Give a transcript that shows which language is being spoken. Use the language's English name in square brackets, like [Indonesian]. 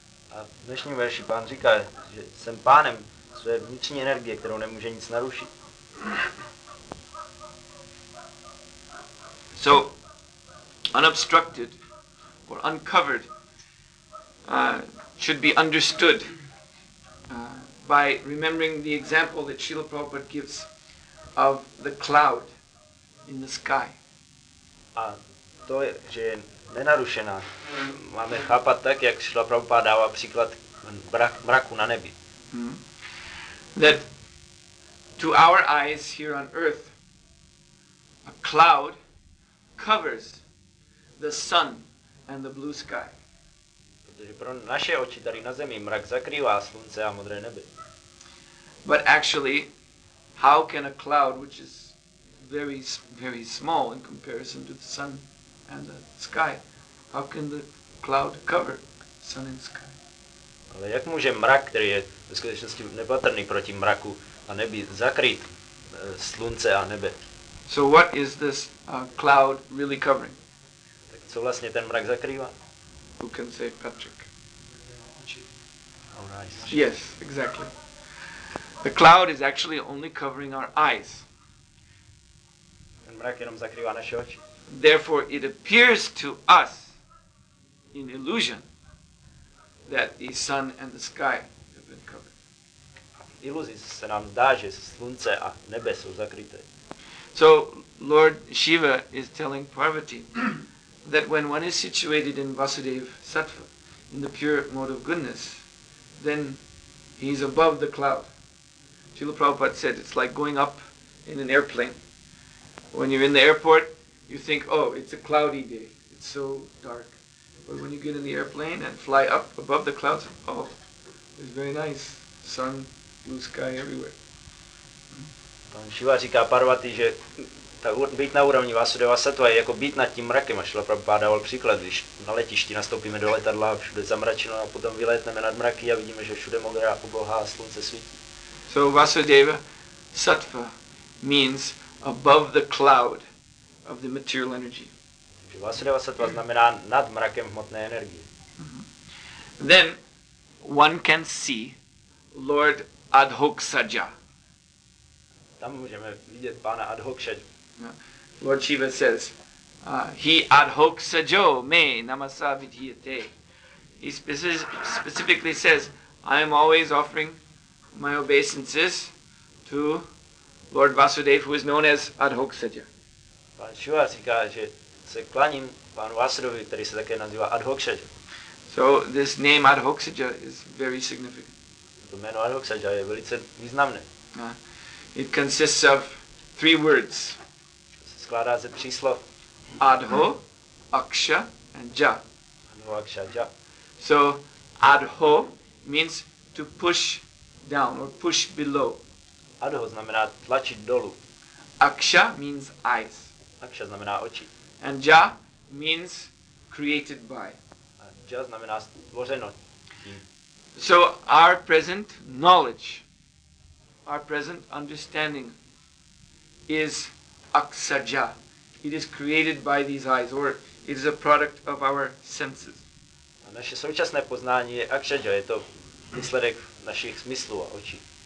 [Czech] A v dnešním verši pán říká, že jsem pánem své vnitřní energie, kterou nemůže nic narušit. [English] So, unobstructed or uncovered should be understood by remembering the example that Srila Prabhupada gives of the cloud in the sky. [Czech] A to je, že je nenarušená. Máme chápat tak, jak Srila Prabhupada dává příklad mraku na nebi. [English] That to our eyes here on earth, A cloud covers the sun and the blue sky. [Czech] Protože pro naše oči tady na zemi mrak zakrývá slunce a modré nebe. [English] But actually, how can a cloud, which is very, very small in comparison to the sun and the sky, how can the cloud cover sun and sky? [Czech] Ale jak může mrak, který je ve skutečnosti nepatrný proti mraku a nebi, zakrýt slunce a nebe? [English] So what is this cloud really covering? [Czech] Tak co vlastně ten mrak zakrývá? [English] Who can say, Patrick? Our eyes. Yes, exactly. The cloud is actually only covering our eyes. [Czech] Ten mrak jenom zakrývá naše oči. [English] Therefore, it appears to us in illusion that the sun and the sky have been covered. [Czech] Iluzí se nám dá, že slunce a nebe jsou zakryté. [English] So Lord Shiva is telling Parvati that when one is situated in Vasudeva Sattva, in the pure mode of goodness, then he is above the cloud. Srila Prabhupada said it's like going up in an airplane. When you're in the airport, you think, oh, it's a cloudy day. It's so dark. But when you get in the airplane and fly up above the clouds, oh, it's very nice. Sun, blue sky everywhere. [Czech] Pan Shiva říká Parvati, že být na úrovni Vasudeva Sattva je jako být nad tím mrakem. A Srila Prabhupada dával příklad, když na letišti nastoupíme do letadla, všude zamračeno a potom vylétneme nad mraky a vidíme, že všude modrá obloha a slunce svítí. [English] So Vasudeva Sattva means above the cloud of the material energy. [Czech] Vasudeva Sattva znamená nad mrakem hmotné energie. [English] Then one can see Lord Adhoksaja. [Czech] Tam můžeme vidět pána Adhoksaja. [English] Lord Shiva says, [Sanskrit] he Adhoksajo me namasa vidhiyate. [English] He specifically says, I am always offering my obeisances to Lord Vasudev, who is known as Adhoksaja. [Czech] Pan Shiva říká, že se klaním pánu Vasudevovi, který se také nazývá Adhoksaja. [English] So this name Adhoksaja is very significant. [Czech] To jméno Adhoksaja je velice významné. [English] It consists of three words. [Czech] Se skládá ze tří slov. [English] Adho, Aksha and Ja. [Czech] Adho, Aksha, Ja. [English] So Adho means to push down or push below. [Czech] Adho znamená tlačit dolů. [English] Aksha means eyes. [Czech] Aksha znamená oči. [English] And Ja means created by. [Czech] A Ja znamená stvořeno. [English] So our present knowledge, our present understanding is Aksaja. It is created by these eyes or it is a product of our senses. [Czech] A naše současné poznání je Aksaja, je to výsledek našich smyslů a očí.